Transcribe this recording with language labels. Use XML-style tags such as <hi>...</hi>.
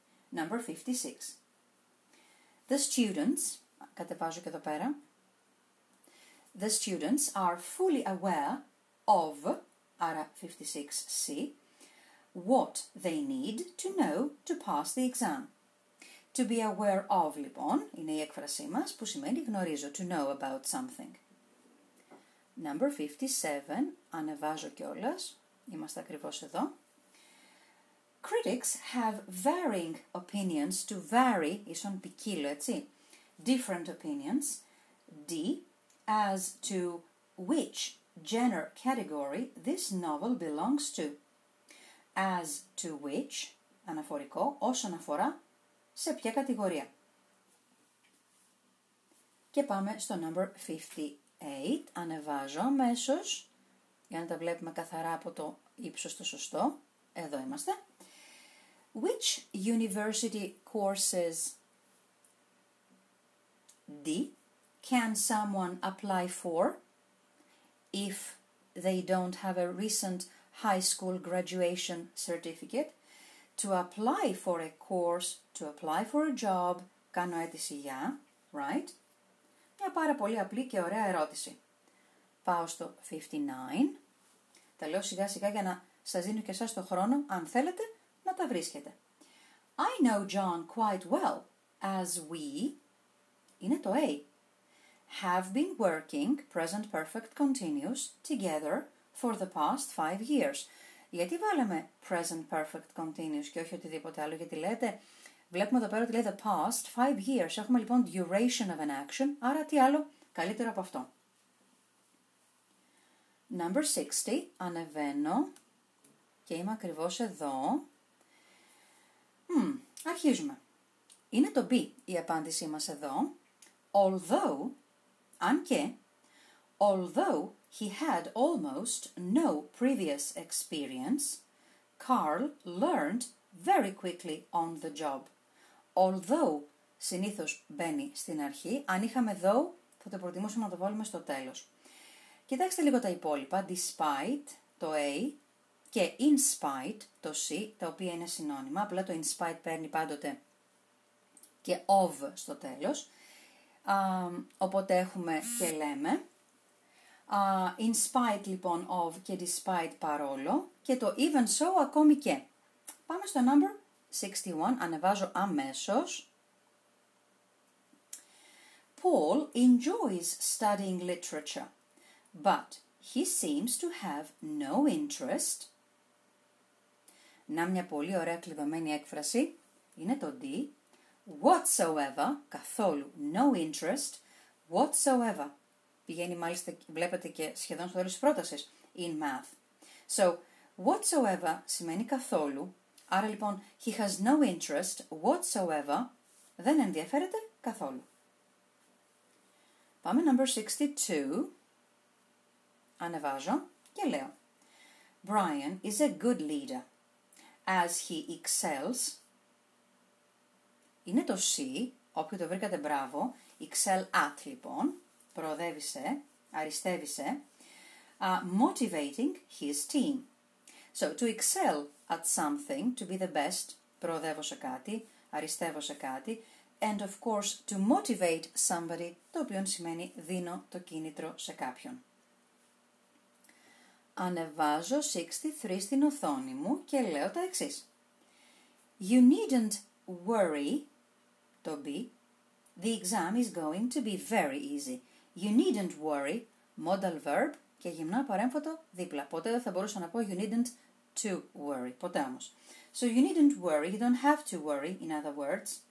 <en>Number 56. The students,</en> <el>κατεβάζω και εδώ πέρα,</el> <en>the students are fully aware of, άρα 56C, what they need to know to pass the exam.</en> <el>To be aware of, λοιπόν, είναι η έκφρασή μας, που σημαίνει γνωρίζω,</el> <en>to know about something.</en> <el>Number 57, ανεβάζω κιόλας, είμαστε ακριβώς εδώ.</el> <en>Critics have varying opinions to vary,</en> <el>ίσον ποικίλω, έτσι,</el> <en>different opinions, D, as to which genre category this novel belongs to.</en> <el>As to which, αναφορικό, όσον αφορά, σε ποια κατηγορία. Και πάμε στο number 58, ανεβάζω αμέσως, για να τα βλέπουμε καθαρά από το ύψος το σωστό, εδώ είμαστε.</el> <en>Which university courses D can someone apply for if they don't have a recent high school graduation certificate? To apply for a course, to apply for a job,</en> <el>κάνω αίτηση για,</el> <en>right?</en> <el>Μια πάρα πολύ απλή και ωραία ερώτηση. Πάω στο 59. Τα λέω σιγά σιγά για να σας δίνω και εσάς το χρόνο, αν θέλετε, να τα βρίσκετε.</el> <en>I know John quite well, as we,</en> <el>είναι το A,</el> <en>have been working, present perfect continuous, together for the past 5 years.</en> <el>Γιατί βάλαμε present perfect continuous και όχι οτιδήποτε άλλο, γιατί λέτε, βλέπουμε εδώ πέρα ότι λέει</el> <en>the past 5 years,</en> <el>έχουμε λοιπόν</el> <en>duration of an action,</en> <el>άρα τι άλλο καλύτερο από αυτό. Number 60, ανεβαίνω και είμαι ακριβώς εδώ. Αρχίζουμε. Είναι το B η απάντησή μας εδώ.</el> <en>Although,</en> <el>αν και,</el> <en>although he had almost no previous experience, Carl learned very quickly on the job.</en> <el>Although, συνήθως μπαίνει στην αρχή, αν είχαμε though, θα το προτιμούσαμε να το βάλουμε στο τέλος. Κοιτάξτε λίγο τα υπόλοιπα, despite το A και in spite το C, τα οποία είναι συνώνυμα, απλά το in spite παίρνει πάντοτε και of στο τέλος. Οπότε έχουμε και λέμε. In spite, λοιπόν, of και despite, παρόλο. Και το even so, ακόμη και. Πάμε στο number 61. Ανεβάζω αμέσως.</el> <en>Paul enjoys studying literature, but he seems to have no interest.</en> <el>Να, μια πολύ ωραία κλειδωμένη έκφραση. Είναι το D.</el> <en>Whatsoever, καθόλου, no interest, whatsoever.</en> <el>Πηγαίνει μάλιστα, βλέπετε και σχεδόν στο τέλος της πρότασης,</el> <en>in math.</en> <el>So, whatsoever σημαίνει καθόλου. Άρα λοιπόν,</el> <en>he has no interest, whatsoever,</en> <el>δεν ενδιαφέρεται καθόλου. Πάμε number 62. Ανεβάζω και λέω.</el> <en>Brian is a good leader, as he excels.</en> <el>Είναι το C, όποιο το βρήκατε μπράβο, excel at λοιπόν, προοδεύει σε, αριστεύει σε,</el> <en>motivating his team. So, to excel at something, to be the best,</en> <el>προοδεύω σε κάτι, αριστεύω σε κάτι,</el> <en>and of course, to motivate somebody,</en> <el>το οποίο σημαίνει δίνω το κίνητρο σε κάποιον. Ανεβάζω 63 στην οθόνη μου και λέω τα εξής.</el> <en>You needn't worry. Το B, the exam is going to be very easy. You needn't worry,</en> <el>modal verb και γυμνά παρέμφωτο δίπλα. Ποτέ δεν θα μπορούσα να πω</el> <en>you needn't to worry,</en> <el>ποτέ όμως.</el> <en>So you needn't worry, you don't have to worry, in other words.</en>